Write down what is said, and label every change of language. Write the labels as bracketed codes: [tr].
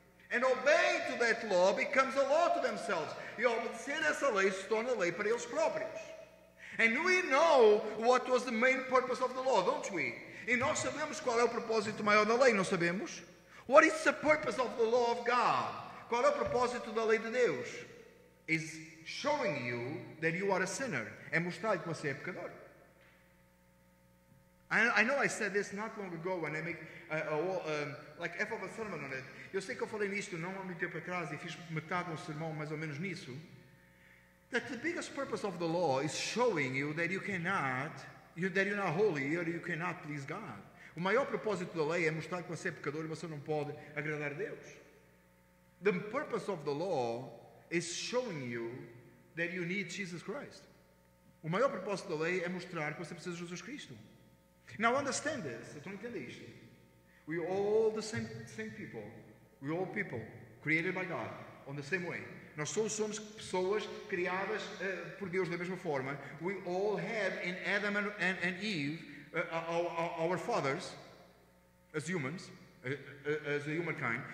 [en] And obey to that law becomes a law to themselves. [pt] E obedecer essa lei se torna lei para eles próprios. [en] And we know what was the main purpose of the law, don't we? [pt] E nós sabemos qual é o propósito maior da lei, não sabemos? [en] What is the purpose of the law of God? [pt] Qual é o propósito da lei de Deus? [en] Is showing you that you are a sinner. [pt] É mostrar-lhe que você é pecador. [en] I know I said this not long ago when I make like half of a sermon on it. [pt] Eu sei que eu falei nisto não há muito tempo atrás e fiz metade um sermão mais ou menos nisso. [en] That the biggest purpose of the law is showing you that you cannot, that you're not holy, or you cannot please God. [pt] O maior propósito da lei é mostrar que você é pecador e você não pode agradar a Deus. [en] The purpose of the law is showing you that you need Jesus Christ. [pt] O maior propósito da lei é mostrar que você precisa de Jesus Cristo. [en] Now understand this. [pt] Então entenda isto. [en] We are all the same people. We are all people created by God on the same way. [pt] Nós todos somos pessoas criadas por Deus da mesma forma. [en] We all have in Adam and Eve our fathers as humans, as a humankind.